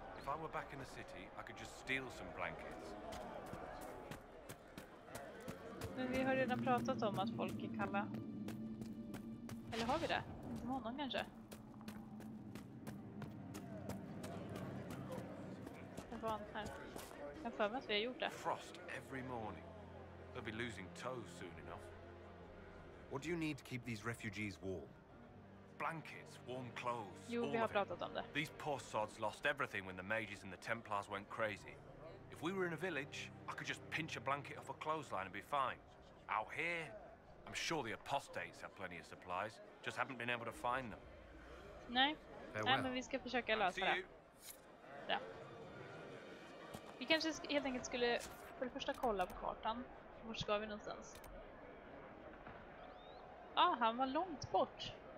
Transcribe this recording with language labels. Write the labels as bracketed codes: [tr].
[en] If I were back in the city, I could just steal some blankets. [sv] Men vi har redan pratat om att folk är kalla. Eller har vi det? Inte med honom kanske? Jag var här. Jag för mig att vi har gjort det. [en] Frost every morning. They'll be losing toes soon enough. What do you need to keep these refugees warm? Blankets, warm clothes. [sv] Jo, all vi har pratat om det. [en] These poor sods lost everything when the mages and the Templars went crazy. If we were in a village, I could just pinch a blanket off a clothesline and be fine. Out here, I'm sure the apostates have plenty of supplies, just haven't been able to find them. [sv] Nej. Nej, men vi ska försöka lösa det. Ja. Vi kanske helt enkelt skulle för det första kolla på kartan. Var ska vi någonstans? Ah, han var långt bort.